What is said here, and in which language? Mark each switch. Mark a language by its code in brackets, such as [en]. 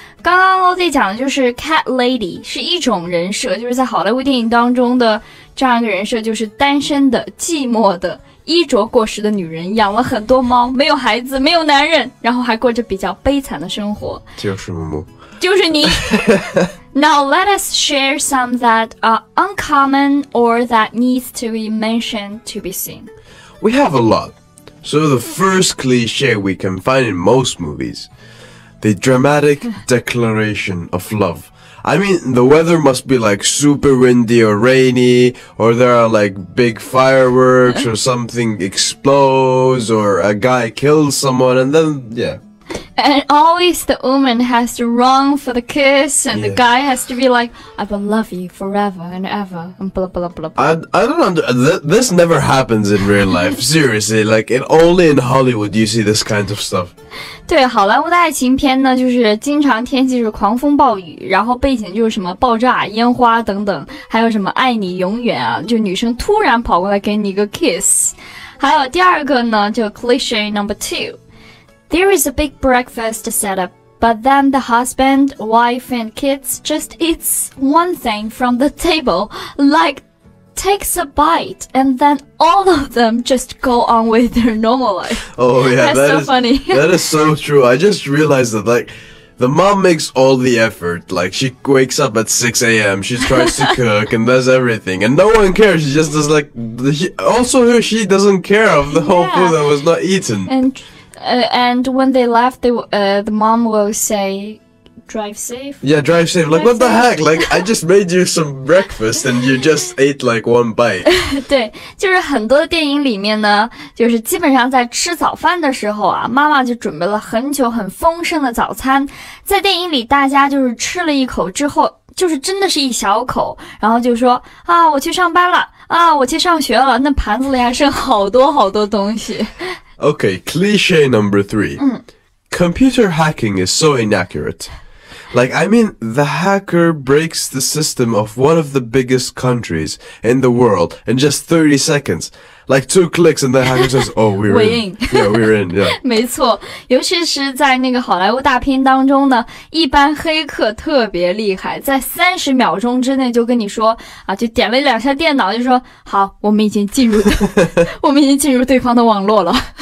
[zh] 刚刚我在讲的就是 cat lady, 是一种人设，就是在好莱坞电影当中的这样一个人设，就是单身的、寂寞的、衣着过时的女人，养了很多猫，没有孩子，没有男人，然后还过着比较悲惨的生活。就是木木。就是你。 [en] Now let us share some that are uncommon or that needs to be mentioned to be seen. We have a lot. So the first cliche we can find in most movies, the dramatic declaration of love. I mean, the weather must be like super windy or rainy, or there are like big fireworks, or something explodes, or a guy kills someone, and then, yeah. And always the woman has to run for the kiss, and the guy has to be like, I will love you forever and ever, and blah, blah, blah, blah. I don't understand. This never happens in real life, seriously. Like, only in Hollywood you see this kind of stuff. [zh] 对，好莱坞的爱情片呢，就是经常天气是狂风暴雨，然后背景就是什么爆炸、烟花等等，还有什么爱你永远啊，就女生突然跑过来给你一个 kiss. 还有第二个呢，就 [en] cliche number two. There is a big breakfast set up, but then the husband, wife, and kids just eats one thing from the table, like takes a bite, and then all of them just go on with their normal life. Oh yeah, that's so funny. That is so true. I just realized that, like, the mom makes all the effort. Like, she wakes up at 6 a.m., she tries to cook and does everything, and no one cares. She just does, like, she doesn't care of the whole food that was not eaten. And when they left, the mom will say, drive safe. Yeah, drive safe. Like, drive what safe. The heck? Like, I just made you some breakfast and you just ate like one bite. [zh] 对，就是很多电影里面呢，就是基本上在吃早饭的时候啊，妈妈就准备了很久很丰盛的早餐。在电影里大家就是吃了一口之后，就是真的是一小口，然后就说啊，我去上班了，啊，我去上学了，那盘子里还剩好多好多东西。 [en] Okay, cliche number three. Computer hacking is so inaccurate. Like, I mean, the hacker breaks the system of one of the biggest countries in the world in just 30 seconds. Like, two clicks and the hacker says, oh, we're in. Yeah, we're in, yeah. [zh] 没错，尤其是在那个好莱坞大片当中呢，一般黑客特别厉害，在30秒钟之内就跟你说，啊，就点了两下电脑，就说，好，我们已经进入对方的网络了。